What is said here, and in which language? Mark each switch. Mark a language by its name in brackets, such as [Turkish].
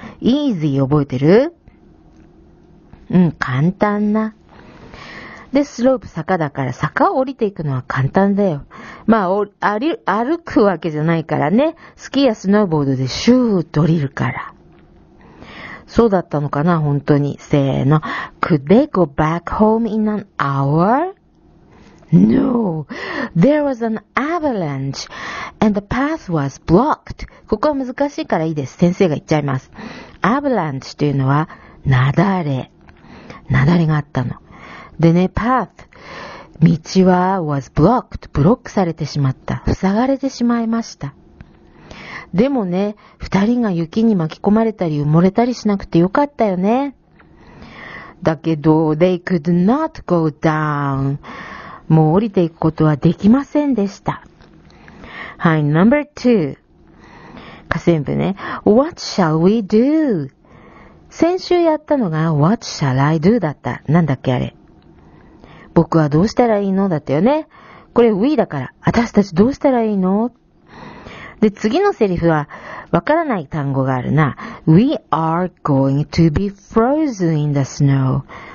[Japanese] Easy 覚えてる？うん、簡単な。で、スロープ坂だから坂を降りていくのは簡単だよ。まあ、歩くわけじゃないからね。スキーやスノーボードでシューッと降りるから。そうだったのかな、本当に。せーの。 [English] Could they go back home in an hour? No, there was an avalanche and the path was blocked. [Japanese] ここは難しいからいいです。先生が言っちゃいます。 Avalanche というのは、雪崩があったの。でね、path、道は [English] was blocked、 [Japanese] ブロックされてしまった。塞がれてしまいました。でもね、二人が雪に巻き込まれたり埋もれたりしなくてよかったよね。だけど、 [English] they could not go down. [Japanese] もう降りていくことはできませんでした。はい、 [English] number two。 [Japanese] 下線部ね。 [English] What shall we do? [Japanese] 先週やったのが [English] What shall I do? [Japanese] だった。なんだっけあれ。僕はどうしたらいいの？だったよね。これ we だから。私たちどうしたらいいの？で、次のセリフはわからない単語があるな。 [English] We are going to be frozen in the snow.